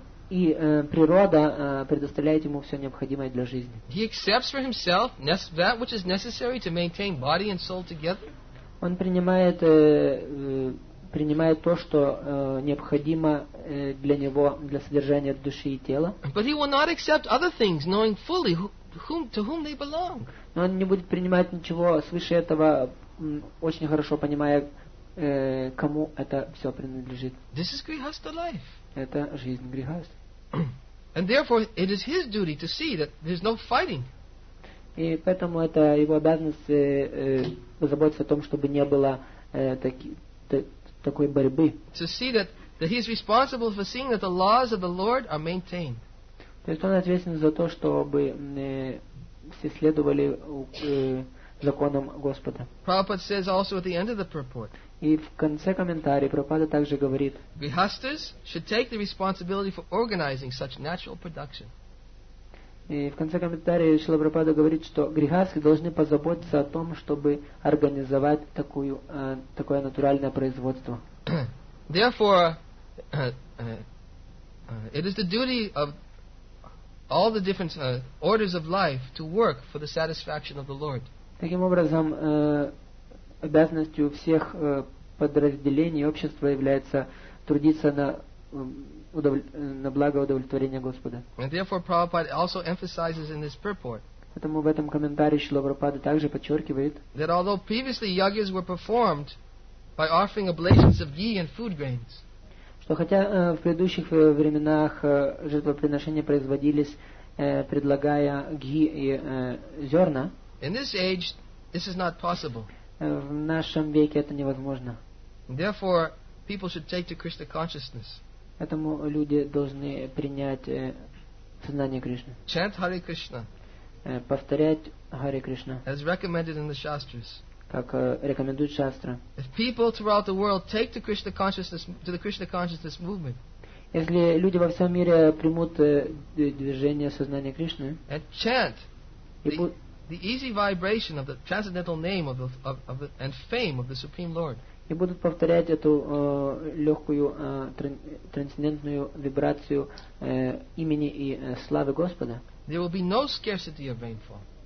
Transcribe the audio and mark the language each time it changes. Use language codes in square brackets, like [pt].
[ru] Природа предоставляет ему все необходимое для жизни. [en] He accepts for himself that which is necessary to maintain body and soul together. [ru] Он принимает то, что необходимо для него для содержания души и тела. [en] But he will not accept other things, knowing fully to whom they belong. [ru] Но он не будет принимать ничего свыше этого, очень хорошо понимая, кому это все принадлежит. [en] This is grihastha life. [ru] Это жизнь грихаст. [en] And therefore, it is his duty to see that there's no fighting. [ru] И поэтому это его обязанность заботиться о том, чтобы не было такой борьбы. [en] To see that, that he's responsible for seeing that the laws of the Lord are maintained. [ru] То есть он ответственен за то, чтобы все следовали законам Господа. [en] Prabhupada says also at the end of the purport. [ru] И в конце комментария Прабхупада также говорит. [en] Grihasthas should take the responsibility for organizing such natural production. [ru] И в конце комментария Шрила Прабхупада говорит, что грихасхи должны позаботиться о том, чтобы организовать такую, такое натуральное производство. [en] Therefore, it is the duty of all the different orders of life to work for the satisfaction of the Lord. [ru] Таким образом, обязанностью всех подразделений общества является трудиться на на благо удовлетворения Господа. [en] And therefore, Prabhupada also emphasizes in this purport. [ru] Поэтому в этом комментарии Шрила Прабхупада также подчеркивает. [en] That although previously yagyas were performed by offering oblations of ghee and food grains. [ru] Что хотя в предыдущих временах жертвоприношения производились, предлагая ги и зерна. [en] In this age, this is not possible. [ru] В нашем веке это невозможно. [en] Therefore, people should take to Krishna consciousness. [ru] Поэтому люди должны принять сознание Кришны. [en] Chant Hare Krishna. [ru] Повторять Hare Krishna. [en] As recommended in the Shastras. [ru] Как рекомендуют шастры. [en] If people throughout the world take to Krishna consciousness, to the Krishna consciousness movement. [ru] Если люди во всем мире примут движение сознания Кришны. [en] And chant the easy vibration of the transcendental name of the and fame of the Supreme Lord. [ru] И будут повторять эту легкую трансцендентную вибрацию имени и славы Господа. [en] There will be no scarcity of rainfall.